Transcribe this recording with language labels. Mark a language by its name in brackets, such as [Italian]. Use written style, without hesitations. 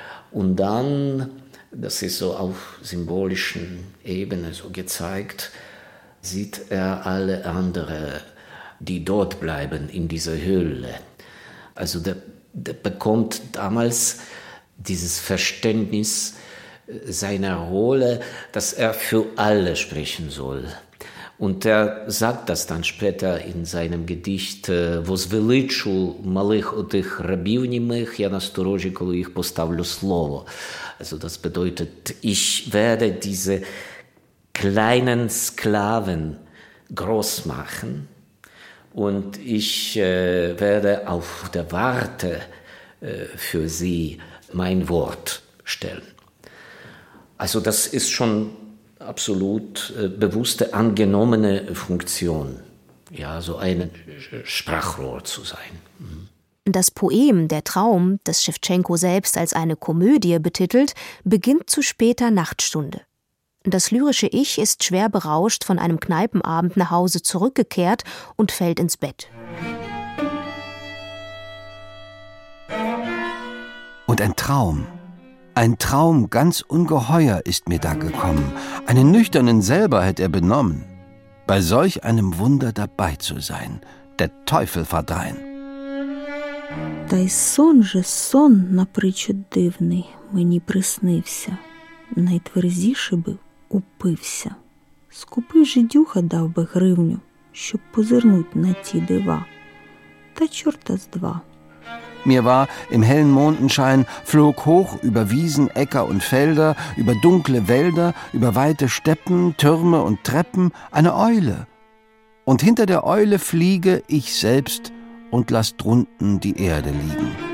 [German] Und dann, das ist so auf symbolischen Ebene so gezeigt, sieht er alle anderen, die dort bleiben in dieser Höhle. Also der bekommt damals dieses Verständnis seiner Rolle, dass er für alle sprechen soll. Und er sagt das dann später in seinem Gedicht [Ukrainian] «Возвеличу малих отих рабів німих, я насторожі, коли їх поставлю слово». [German] Also das bedeutet, ich werde diese kleinen Sklaven groß machen und ich werde auf der Warte für sie mein Wort stellen. Also das ist schon absolut bewusste, angenommene Funktion, ja, so ein Sprachrohr zu sein. Das Poem »Der Traum«, das Schewtschenko selbst als eine Komödie betitelt, beginnt zu später Nachtstunde. Das lyrische Ich ist schwer berauscht von einem Kneipenabend nach Hause zurückgekehrt und fällt ins Bett. Und ein Traum. Ein Traum ganz ungeheuer ist mir da gekommen. Einen nüchternen selber hätte er benommen. Bei solch einem Wunder dabei zu sein, der Teufel verdrein. [Ukrainian] Та й сон же сон напричуд дивний мені приснився. Найтверзіше би упився. Скупий жидюха дав би гривню, щоб позирнуть на ті дива. Та чорта з два. [German] Mir war im hellen Mondenschein, flog hoch über Wiesen, Äcker und Felder, über dunkle Wälder, über weite Steppen, Türme und Treppen eine Eule. Und hinter der Eule fliege ich selbst und lass drunten die Erde liegen.